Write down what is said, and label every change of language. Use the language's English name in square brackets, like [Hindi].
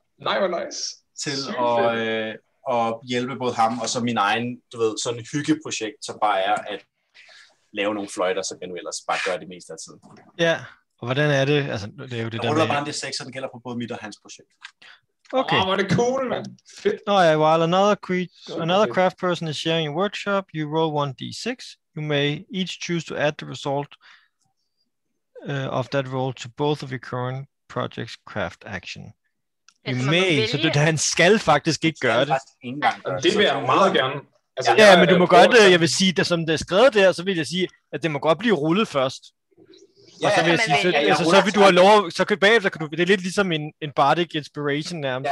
[Danish] Nej, hvor nice. Til at hjælpe både ham og så min egen, du ved, sådan et hyggeprojekt, som bare er at lave nogle fløjter, som jeg nu ellers bare gør det meste af tiden. Ja, og hvordan er det? Altså, det er jo det der ruller bare en D6, den gælder på både mit og hans projekt. Okay. Åh, hvor er det cool, man. Fedt. [English] Oh, yeah, while another craft person is sharing a workshop, you roll 1D6. You may each choose to add the result of that roll to both of your current projects' craft action. You may, [Danish] så han skal faktisk ikke gøre det. Det vil jeg meget gerne. Altså, ja, men du må godt, jeg vil sige, at som det er skrevet der, så vil jeg sige, at det må godt blive rullet først. Ja, og så vil jeg sige, så vil du have lov, så kan bagefter, det er lidt ligesom en bardic inspiration nærmest,